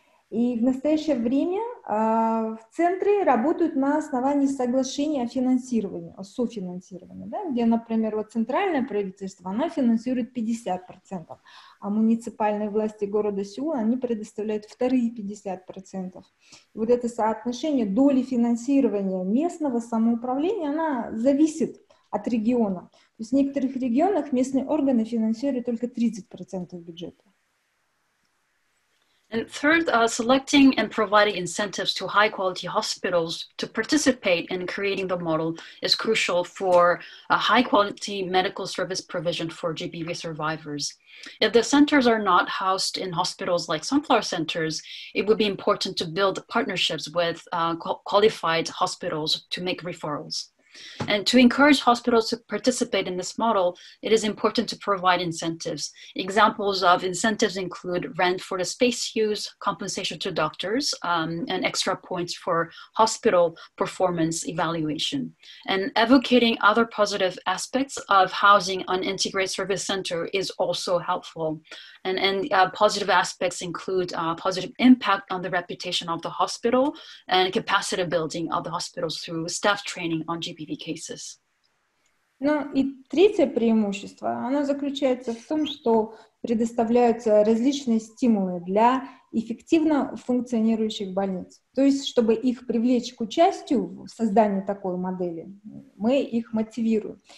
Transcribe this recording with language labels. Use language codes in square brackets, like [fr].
[ru] И в настоящее время в центре работают на основании соглашения о финансировании, о софинансировании, да, где, например, вот центральное правительство, оно финансирует 50%, а муниципальные власти города Сеула, они предоставляют вторые 50%. И вот это соотношение доли финансирования местного самоуправления, она зависит от региона. То есть в некоторых регионах местные органы финансируют только 30% бюджета. [en] And third, selecting and providing incentives to high quality hospitals to participate in creating the model is crucial for a high quality medical service provision for GBV survivors. If the centers are not housed in hospitals like Sunflower Centers, it would be important to build partnerships with qualified hospitals to make referrals. And to encourage hospitals to participate in this model, it is important to provide incentives. Examples of incentives include rent for the space use, compensation to doctors, and extra points for hospital performance evaluation. And advocating other positive aspects of housing an integrated service center is also helpful. And positive aspects include positive impact on the reputation of the hospital and capacity building of the hospitals through staff training on GBV cases. [ru] Ну и третье преимущество, оно заключается в том, что предоставляются различные стимулы для эффективно функционирующих больниц. То есть, чтобы их привлечь к участию в создании такой модели, мы их мотивируем.